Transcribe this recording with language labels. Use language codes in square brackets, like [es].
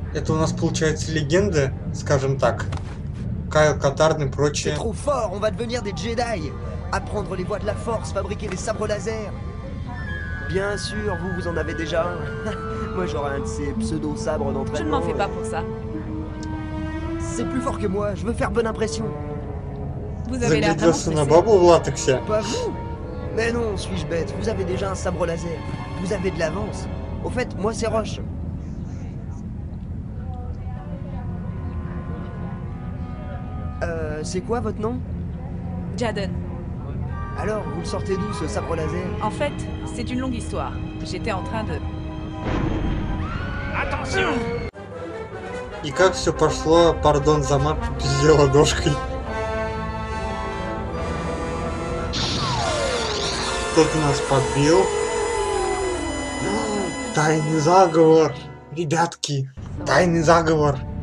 [ru] Это у нас получается легенды, скажем так. Кайл Катарн и прочее. [fr] C'est trop fort, on va devenir des Jedi. Apprendre les voies de la force, fabriquer des sabres laser. Bien sûr, vous en avez déjà un. Moi j'aurai un de ces pseudo-sabres d'entraînement. Je ne m'en fais pas pour ça. C'est plus fort que moi, je veux faire bonne impression. Vous avez l'air vraiment stressé. Pas vous. Mais non, suis-je bête, vous avez déjà un sabre laser. Vous avez de l'avance. Au fait, moi c'est Roche. C'est quoi votre nom? Jaden. Alors, vous le sortez d'où ce sabre laser? En fait, c'est une longue histoire. J'étais en train de... Attention! [ru] И как все пошло, пардон за мат, пиздец ладошкой. Кто-то нас подбил. Тайный заговор! Ребятки, тайный заговор!